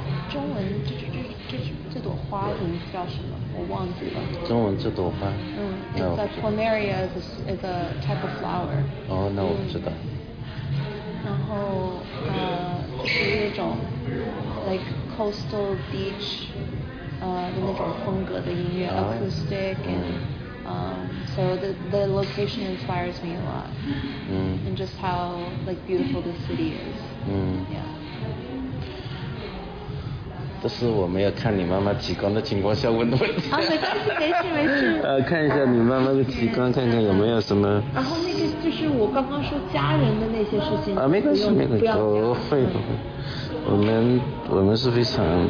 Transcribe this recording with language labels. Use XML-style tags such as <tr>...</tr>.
<zh>中文这朵花名字叫什么？我忘记了。中文这朵花。</zh> <en>It's a plumeria, is a type of flower.</en> <zh>那我不知道。然后是那种</zh> <en>like coastal beach</en> <zh>的那种风格的音乐、</zh> <en>acoustic and so the location inspires me a lot. And just how like beautiful the city is. Yeah.</en> <zh>这是我没有看你妈妈极光的情况下问的问题。没事。看一下你妈妈的极光，看看有没有什么。然后那个就是我刚刚说家人的那些事情。没关系，没关系，不会。我们是非常。</zh>